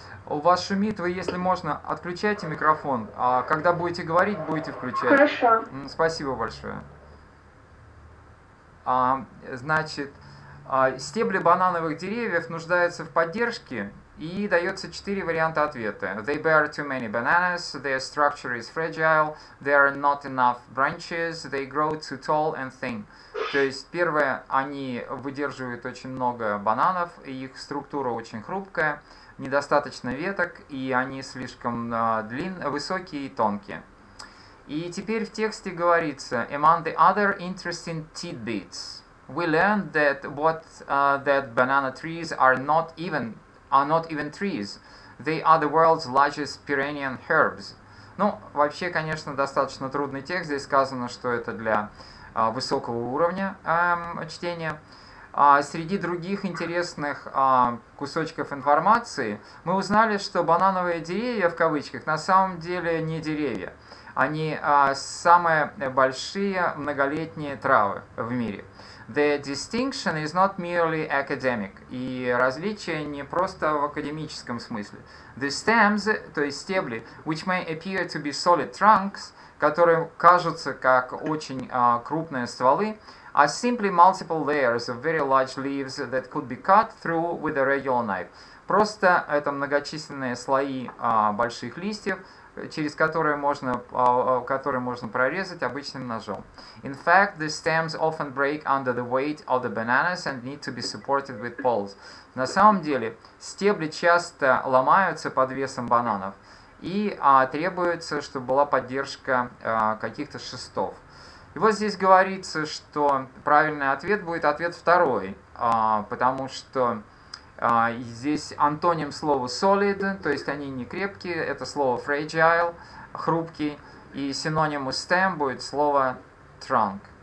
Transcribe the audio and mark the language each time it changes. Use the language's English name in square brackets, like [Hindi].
[Russian] У вас шумит, вы, если можно, отключайте микрофон. А когда будете говорить, будете включать. Хорошо. Спасибо большое. Значит, стебли банановых деревьев нуждаются в поддержке, и дается 4 варианта ответа. [English] They bear too many bananas, their structure is fragile, there are not enough branches, they grow too tall and thin. [Russian] То есть, первое, они выдерживают очень много бананов, и их структура очень хрупкая, недостаточно веток, и они слишком высокие и тонкие. И теперь в тексте говорится, [English] among the other interesting tidbits, we learned that that banana trees are not even trees, they are the world's largest Pyrenean herbs. [Russian] Ну, вообще, конечно, достаточно трудный текст, здесь сказано, что это для высокого уровня чтения. Среди других интересных кусочков информации мы узнали, что банановые деревья, в кавычках, на самом деле не деревья. Они самые большие многолетние травы в мире. [English] The distinction is not merely academic. [Russian] И различие не просто в академическом смысле. [English] The stems, [Russian] то есть стебли, [English] which may appear to be solid trunks, [Russian] которые кажутся как очень крупные стволы, [English] are simply multiple layers of very large leaves that could be cut through with a regular knife. [Russian] Просто это многочисленные слои больших листьев, через которые можно прорезать обычным ножом. [English] In fact, the stems often break under the weight of the bananas and need to be supported with poles. [Russian] На самом деле, стебли часто ломаются под весом бананов, и требуется, чтобы была поддержка каких-то шестов. И вот здесь говорится, что правильный ответ будет ответ второй, потому что здесь антоним слову solid, то есть они не крепкие, это слово fragile, хрупкий, и синоним stem будет слово trunk.